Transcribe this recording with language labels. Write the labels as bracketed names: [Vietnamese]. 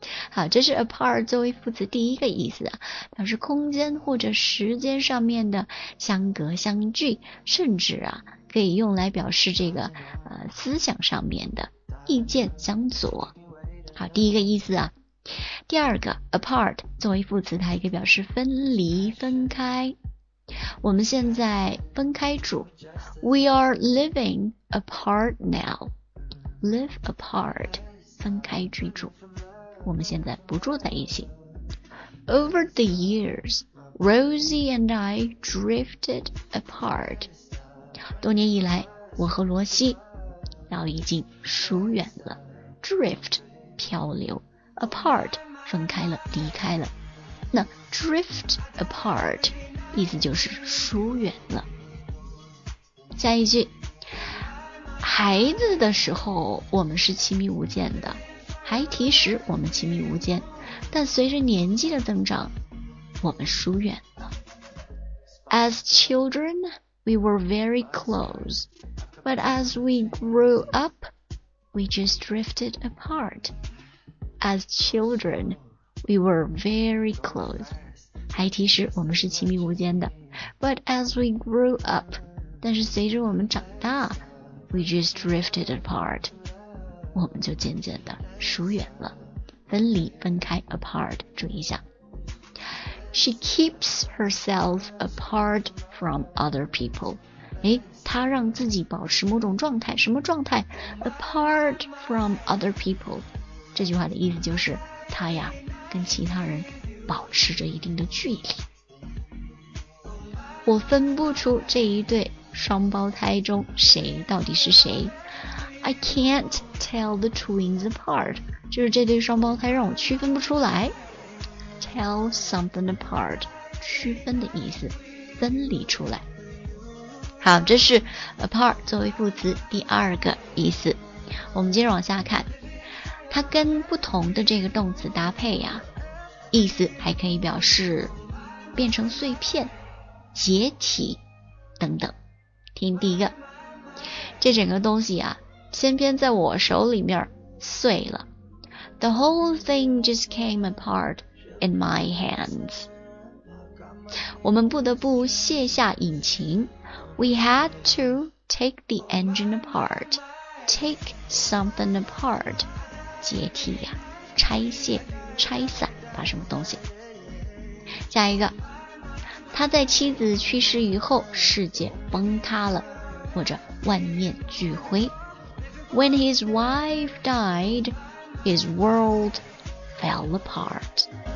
[Chinese] 好，这是 apart 作为副词第一个意思啊，表示空间或者时间上面的相隔相距，甚至啊可以用来表示这个思想上面的意见相左。好，第一个意思啊。第二个 apart 作为副词，它也可以表示分离分开。我们现在分开住， [English] We are living apart now。 Live apart [Chinese] 分开居住，我们现在不住在一起。 [English] Over the years Rosie and I drifted apart。 [Chinese] 多年以来，我和罗西早已经疏远了。 drift 漂流， apart 分开了，离开了。那 drift apart 意思就是疏远了。下一句，孩子的时候我们是亲密无间的，孩提时我们亲密无间，但随着年纪的增长我们疏远了。 [English] As children We were very close, but as we grew up, we just drifted apart. As children, we were very close. [Chinese] 孩提时我们是亲密无间的， [English] but as we grew up, [Chinese] 但是随着我们长大， [English] we just drifted apart. [Chinese] 我们就渐渐的疏远了，分离分开 apart， 注意一下。 [English] She keeps herself apart from other people. [Chinese] 诶，她让自己保持某种状态，什么状态？ [English] Apart from other people. [Chinese] 这句话的意思就是，她呀，跟其他人保持着一定的距离。我分不出这一对双胞胎中谁到底是谁。 [English] I can't tell the twins apart. [Chinese] 就是这对双胞胎让我区分不出来。 [English] Tell something apart， [Chinese] 区分的意思，分离出来。好，这是 apart 作为副词第二个意思。我们接着往下看，它跟不同的这个动词搭配呀，意思还可以表示变成碎片、解体等等。听第一个，这整个东西啊，偏偏在我手里面碎了。 [English] The whole thing just came apart in my hands. [Chinese] 我们不得不卸下引擎。 [English] We had to take the engine apart. Take something apart. [Chinese] 解体呀、啊，拆卸、拆散，把什么东西。下一个，他在妻子去世以后，世界崩塌了，或者万念俱灰。 [English] When his wife died, his world fell apart.